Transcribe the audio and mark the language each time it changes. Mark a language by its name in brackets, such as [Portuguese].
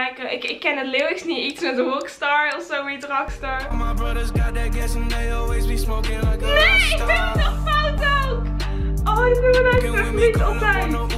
[Dutch] Ik ken het lyrics niet, iets met rockstar of zo, iets rockstar. [English] My brothers got that gas and they always be smoking like a rockstar. [Dutch] Nee, ik ben het nog fout ook. Oh, dat is mijn laatste niet altijd.